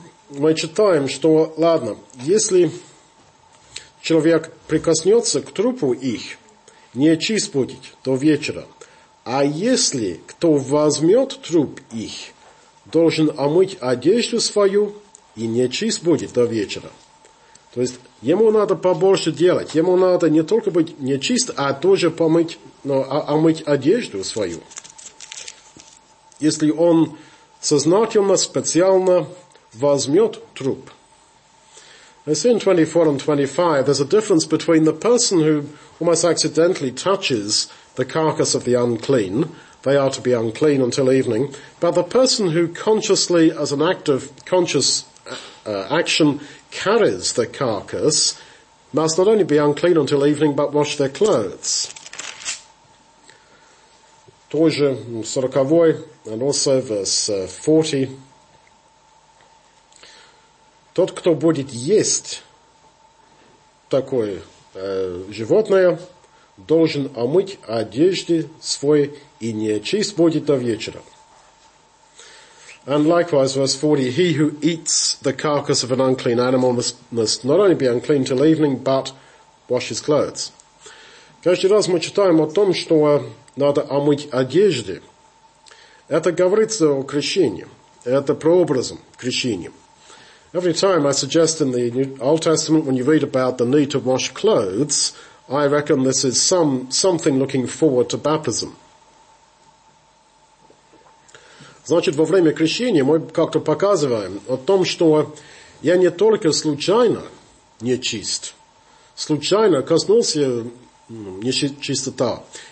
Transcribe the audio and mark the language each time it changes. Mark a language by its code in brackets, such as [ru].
[ru] Мы читаем, что, ладно, если человек прикоснется к трупу их, не чист будет до вечера, а если кто возьмет труп их, должен омыть одежду свою и не чист будет до вечера. То есть ему надо побольше делать, ему надо не только быть нечист, а тоже омыть одежду свою. Если он сознательно, специально возьмет труп. [en] As in 24 and 25, there's a difference between the person who almost accidentally touches the carcass of the unclean, they are to be unclean until evening, but the person who consciously, as an act of conscious action, carries the carcass, must not only be unclean until evening, but wash their clothes. [ru] Тоже 40-й, [en] and also verse 40. [ru] Тот, кто будет есть такое животное, должен омыть одежды свои и не чист будет до вечера. [en] And likewise, verse 40, he who eats the carcass of an unclean animal must not only be unclean till evening, but wash his clothes. [ru] Каждый раз мы читаем о том, что надо омыть одежды. Это говорится о крещении. Это прообразом крещения. [en] Every time I suggest in the Old Testament when you read about the need to wash clothes, I reckon this is something looking forward to baptism. [ru] Значит, во время крещения мы как-то показываем о том, что я не только случайно нечист, случайно коснулся нечистота.